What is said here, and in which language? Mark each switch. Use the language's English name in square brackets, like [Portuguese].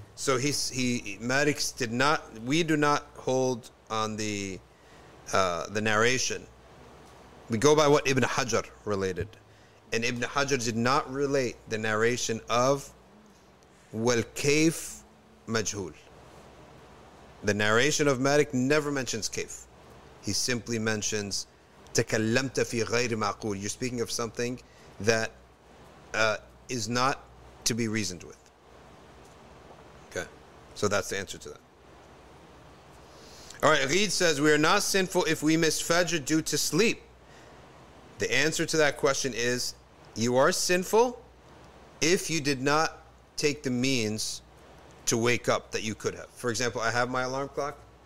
[English] So he Malik did not, we do not hold on the narration. We go by what Ibn Hajar related. And Ibn Hajar did not relate the narration of [Arabic] وَالْكَيْفِ مَجْهُول. [English] The narration of Malik never mentions كَيْف. He simply mentions [Arabic] تَكَلَّمْتَ فِي غَيْرِ مَعْقُولِ. [English] You're speaking of something that is not to be reasoned with. Okay. So that's the answer to that. All right. Reed says, we are not sinful if we miss Fajr due to sleep. The answer to that question is, you are sinful if you did not take the means to wake up that you could have. For example, I have my alarm clock.